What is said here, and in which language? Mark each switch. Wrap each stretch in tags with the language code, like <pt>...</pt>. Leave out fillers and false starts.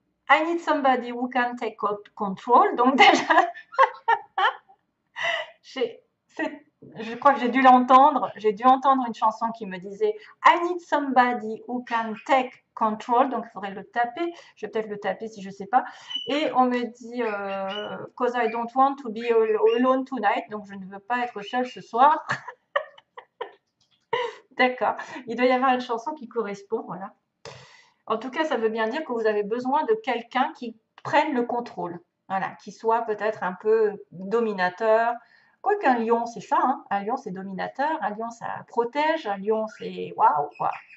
<en>I need somebody who can take control.</en> <fr>Donc déjà, je crois que j'ai dû l'entendre. J'ai dû entendre une chanson qui me disait</fr> <en>I need somebody who can take control.</en> <fr>Donc il faudrait le taper. Je vais peut-être le taper si je ne sais pas. Et on me dit</fr> <en>Cause I don't want to be alone tonight.</en> <fr>Donc je ne veux pas être seule ce soir. D'accord. Il doit y avoir une chanson qui correspond. Voilà. En tout cas, ça veut bien dire que vous avez besoin de quelqu'un qui prenne le contrôle, voilà, qui soit peut-être un peu dominateur. Quoique un lion, c'est ça, hein. Un lion, c'est dominateur, un lion, ça protège, un lion, c'est waouh, quoi.</fr>